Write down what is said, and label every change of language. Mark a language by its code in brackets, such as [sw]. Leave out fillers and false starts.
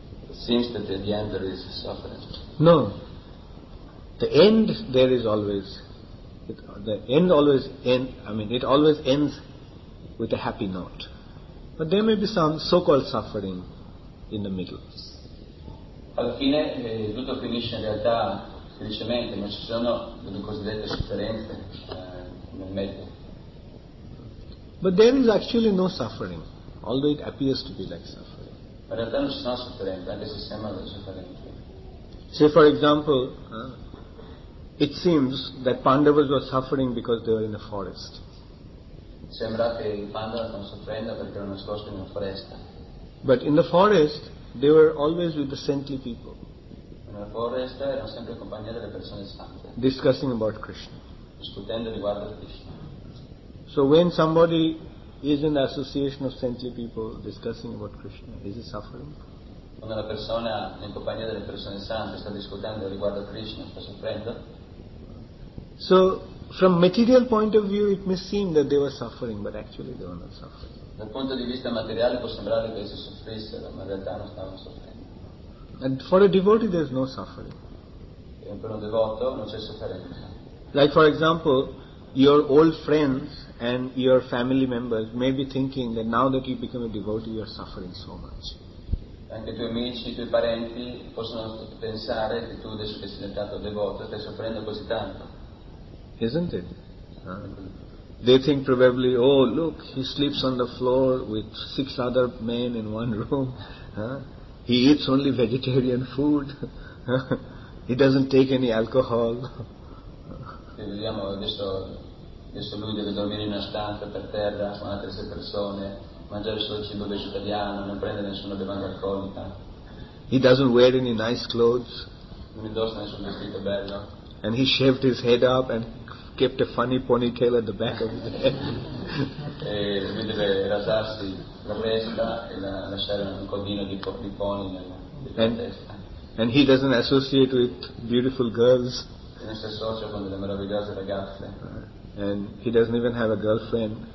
[en] It seems that at the end there is suffering. No. The end there is always. It always ends with a happy note. But there may be some so-called suffering in the middle. [it] Alla fine tutto finisce in realtà felicemente, ma ci sono delle cosiddette sofferenze nel mezzo. [en] But there is actually no suffering, although it appears to be like suffering. [it] In realtà non ci sono sofferenze, anche se sembra di sofferenze. [en] Say for example, it seems that Pandavas were suffering because they were in a forest. [it] Sembra che i Pandava stanno soffrendo perché erano nascosti in una foresta. [en] But in the forest, they were always with the saintly people. [it] Nella foresta erano sempre in compagnia delle persone sante. [en] Discussing about Krishna. [it] Discutendo riguardo Krishna. [en] So when somebody is in the association of saintly people discussing about Krishna, is he suffering? [it] Quando una persona in compagnia delle persone sante sta discutendo riguardo a Krishna, sta soffrendo? [en] So, from material point of view, it may seem that they were suffering, but actually they were not suffering. [it] Dal punto di vista materiale può sembrare che essi soffrissero, ma in realtà non stavano soffrendo. [en] And for a devotee, there is no suffering. [it] E per un devoto non c'è sofferenza. [en] Like for example, your old friends and your family members may be thinking that now that you become a devotee, you are suffering so much. [it] Anche i tuoi amici, i tuoi parenti possono pensare che tu adesso che sei diventato devoto stai soffrendo così tanto. [en] Isn't it? They think probably, oh look, he sleeps on the floor with six other men in one room. He eats only vegetarian food. He doesn't take any alcohol. [it] Vediamo adesso lui deve dormire in una stanza per terra con altre sei persone, mangiare solo cibo vegetariano, non prende nessuna bevanda alcolica. [en] He doesn't wear any nice clothes. [it] Non indossa nessun vestito bello. [en] And he shaved his head up and kept a funny ponytail at the back of his head. [it] Deve rasarsi la testa e lasciare un codino di pony nella testa. [en] And he doesn't associate with beautiful girls. [it] Non si associa con delle meravigliose ragazze. [en] And he doesn't even have a girlfriend.